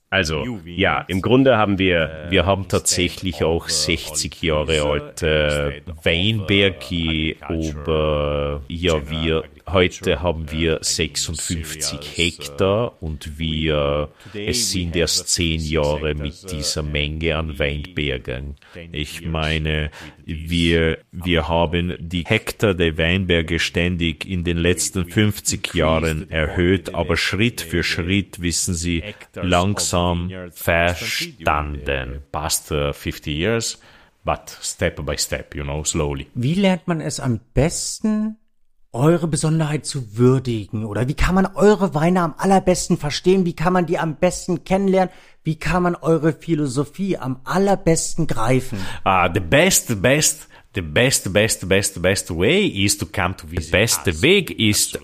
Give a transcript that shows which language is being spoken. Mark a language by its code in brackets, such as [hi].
[de] Also, ja, im Grunde haben wir haben tatsächlich auch 60 Jahre alte Weinberge, aber ja, wir heute haben wir 56 Hektar und wir, es sind erst 10 Jahre mit dieser Menge an Weinbergen. Ich meine, wir haben die Hektar der Weinberge ständig in den letzten 50 Jahren erhöht, aber Schritt für Schritt, wissen Sie, langsam verstanden. [en] Past 50 years, but step by step, you know, slowly. [de] Wie lernt man es am besten, eure Besonderheit zu würdigen? Oder wie kann man eure Weine am allerbesten verstehen? Wie kann man die am besten kennenlernen? Wie kann man eure Philosophie am allerbesten greifen? Der beste Weg ist,